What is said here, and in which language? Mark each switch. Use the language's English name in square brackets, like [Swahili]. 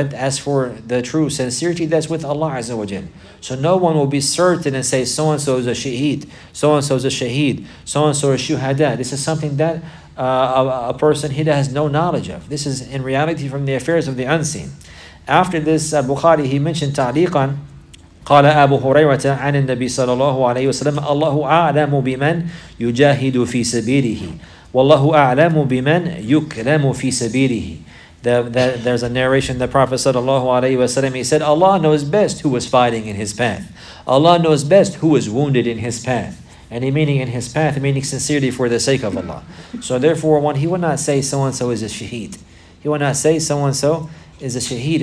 [English] But as for the true sincerity, that's with Allah Azza wa Jal. So no one will be certain and say, so-and-so is a shaheed, so-and-so is a shaheed, so-and-so is a shuhada. This is something that a person, he has no knowledge of. This is in reality from the affairs of the unseen. After this, Bukhari, he mentioned ta'liqan, [Arabic] قَالَ أَبُو هُرَيْرَةَ عَنِ النَّبِيِّ صَلَى اللَّهُ عَلَيْهِ وَسَلَمَ أَلَّهُ أَعْلَمُ بِمَنْ يُجَاهِدُ فِي سَبِيلِهِ وَاللَّهُ أَعْلَمُ بِمَنْ يُكْرَمُ فِي سَبِيلِهِ. [English] There's a narration the Prophet sallallahu alaihi wasallam, he said, Allah knows best who was fighting in his path. Allah knows best who was wounded in his path. And he meaning in his path, meaning sincerely for the sake of Allah. So therefore, one, he would not say so-and-so is a shaheed. He would not say so-and-so is a shaheed.